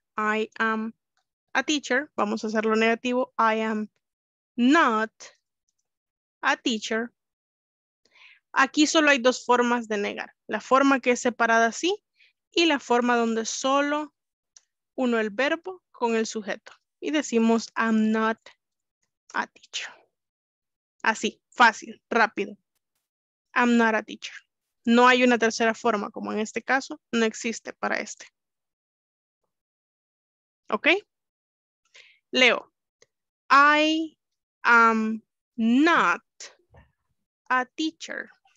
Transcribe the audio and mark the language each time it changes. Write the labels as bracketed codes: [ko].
[en] I am a teacher, [es] vamos a hacerlo negativo, [en] I am not a teacher. [es] Aquí solo hay dos formas de negar. La forma que es separada así y la forma donde solo uno el verbo con el sujeto. Y decimos, [en] I'm not a teacher. [es] Así, fácil, rápido. [en] I'm not a teacher. [es] No hay una tercera forma, como en este caso, no existe para este. [en] ¿Ok? Leo. I am not a teacher.